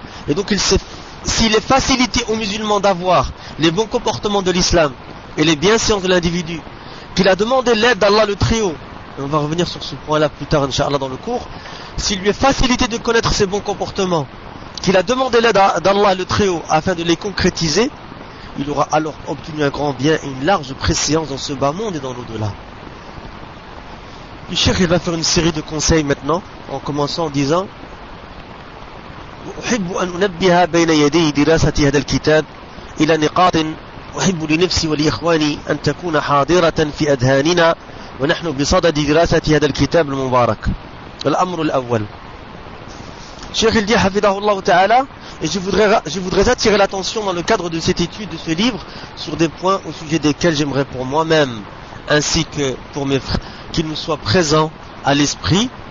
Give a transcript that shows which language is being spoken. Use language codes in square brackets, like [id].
[fr] Et donc, s'il est facilité aux musulmans d'avoir les bons comportements de l'islam et les bienséances de l'individu, qu'il a demandé l'aide d'Allah le Très-Haut, et on va revenir sur ce point-là plus tard, inshallah, dans le cours, s'il lui est facilité de connaître ses bons comportements, qu'il a demandé l'aide d'Allah le Très-Haut afin de les concrétiser, il aura alors obtenu un grand bien et une large préséance dans ce bas monde et dans l'au-delà. Le cheikh, il va faire une série de conseils maintenant, en commençant en disant [ar] أحب أن أنبه بين يدي دراسة هذا الكتاب إلى نقاط أحب لنفسي ولإخواني أن تكون حاضرة في أذهاننا ونحن بصدد دراسة هذا الكتاب المبارك. الأمر الأول. شيخ الدين حفظه الله تعالى. [fr] Et je voudrais attirer l'attention dans le cadre de cette étude, de ce livre, sur des points au sujet desquels j'aimerais pour moi-même ainsi que pour mes frères qu'ils nous soient présents à l'esprit.